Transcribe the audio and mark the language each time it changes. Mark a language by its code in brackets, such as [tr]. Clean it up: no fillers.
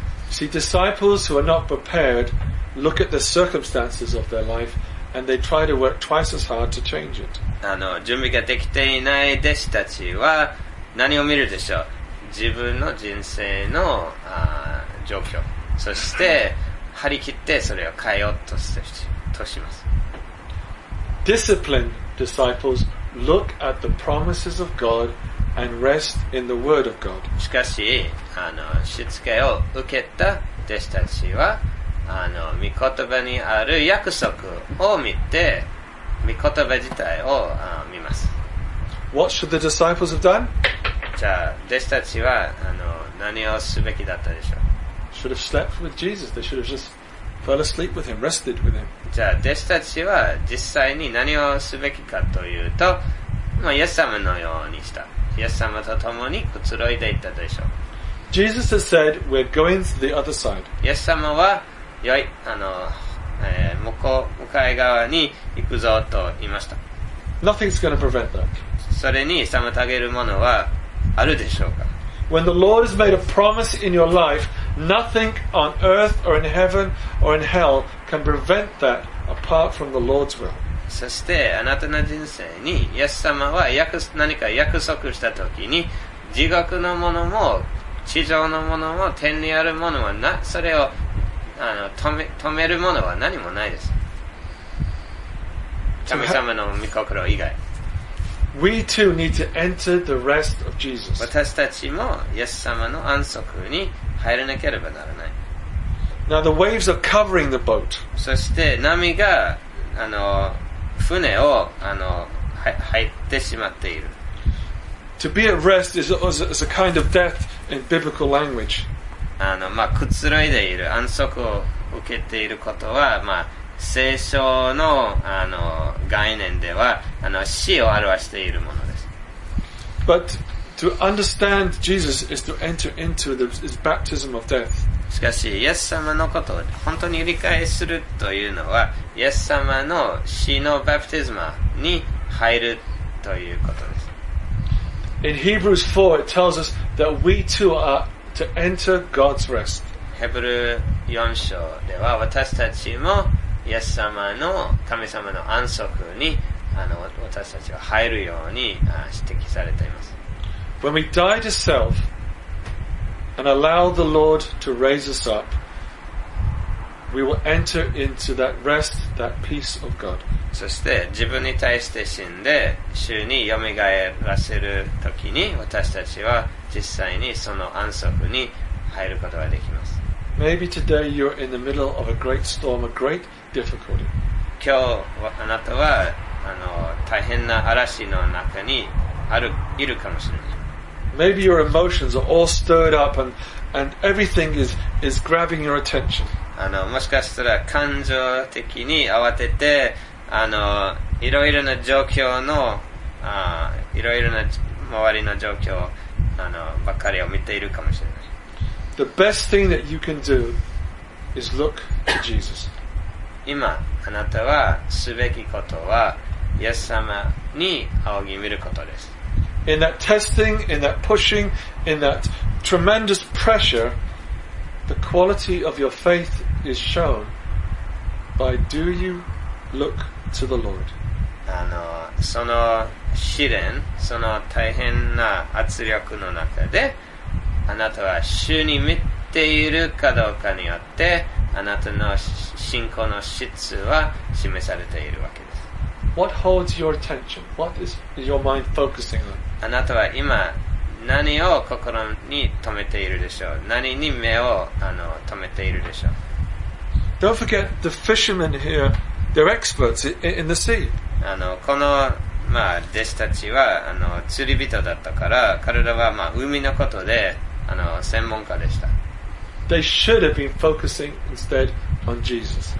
[en] See, disciples who are not prepared look at the circumstances of their life and they try to work twice as hard to change it. [ja] 準備ができていない弟子たちは何を見るでしょう。自分の人生の状況、そして張り切ってそれを変えようとするとします。 [en] Disciplined disciples look at the promises of God and rest in the word of God. [ja] しかし、しつけを受けた弟子たちは御言葉にある約束を見て御言葉自体を見ます。 [en] What should the disciples have done? [ja] じゃあ弟子たちは何をすべきだったでしょう。 [en] Should have slept with Jesus. They should have just fell asleep with him, rested with him. [ja] じゃあ弟子たちは実際に何をすべきかというと、まあ、イエス様のようにした。イエス様と共にくつろいでいったでしょう。 [en] Jesus has said we're going to the other side. [ja] イエス様は良い向かい側に行くぞと言いました。 [en] Nothing's going to prevent that. [ja] それに妨げるものはあるでしょうか。 [en] When the Lord has made a promise in your life, nothing on earth or in heaven or in hell can prevent that apart from the Lord's will. [ja] そしてあなたの人生にイエス様は何か約束したときに、地獄のものも地上のものも天にあるものもな、それを止めるものは何もないです。神様の御心以外。 [en] We too need to enter the rest of Jesus. [ja] 私たちもイエス様の安息に入らなければならない。 [en] Now the waves are covering the boat. [ja] そして波が船を入ってしまっている。 [en] To be at rest is a kind of death in biblical language. [ja] まあ、くつろいでいる、安息を受けていることは、まあ聖書の概念では死を表しているものです。 [en] But to understand Jesus is to enter into his baptism of death. [ja] しかし、イエス様のことを本当に理解するというのは、イエス様の死のバプティズマに入るということです。 [en] In Hebrews 4, it tells us that we too are to enter God's rest. [ja] ヘブル4章では私たちもイエス様の神様の安息に私たちは入るように指摘されています。 [en] When we die to self and allow the Lord to raise us up, we will enter into that rest, that peace of God. [ja] そして自分に対して死んで主によみがえらせるときに、私たちは実際にその安息に入ることができます。 [en] Maybe today you're in the middle of a great storm, a great difficulty. [ja] 今日あなたは大変な嵐の中にいるかもしれない。 [en] Maybe your emotions are all stirred up and everything is grabbing your attention. [ja] もしかしたら感情的に慌てて、いろいろな状況の、いろいろな周りの状況、ばかりを見ているかもしれない。 [en] The best thing that you can do is look to Jesus. [ja] 今あなたはすべきことはイエス様に仰ぎ見ることです。 [en] In that testing, in that pushing, in that tremendous pressure, the quality of your faith is shown by do you look to the Lord? [ja] あの、その試練、その大変な圧力の中で、あなたは主に見ているかどうかによって、あなたの信仰の質は示されているわけです。 [en] What holds your attention? What is your mind focusing on? [ja] あなたは今何を心に留めているでしょう。何に目を留めているでしょう。 [en] Don't forget the fishermen here. They're experts in the sea. [ja] あのこのまあ弟子たちは釣り人だったから、彼らはまあ海のことで専門家でした。 [en] They should have been focusing instead on Jesus.